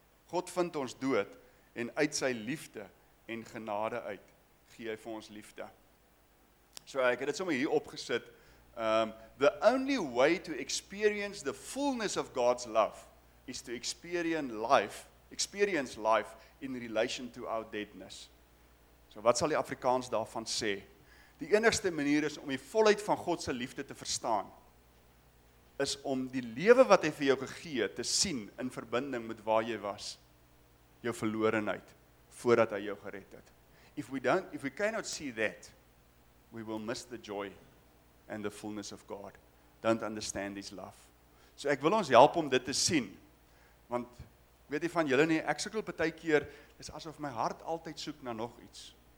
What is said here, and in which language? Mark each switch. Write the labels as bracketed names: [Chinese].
[Afrikaans] God vind ons dood en uit sy liefde en genade uit gee hy vir ons liefde. So ek het dit sommer hier opgesit. [English] The only way to experience the fullness of God's love is to experience life in relation to our deadness. [Afrikaans] So wat sal die Afrikaans daarvan sê? Die enigste manier is om die volheid van God se liefde te verstaan, is om die lewe wat hy vir jou gegee het te sien in verbinding met waar jy was, jou verlorenheid, voordat hy jou gered het. [English] If we cannot see that, we will miss the joy and the fullness of God. Don't understand his love. [Afrikaans] So ek wil ons help om dit te sien, want weet jy van julle nie, ek sukkel baie keer, is asof my hart altyd soek na nog iets.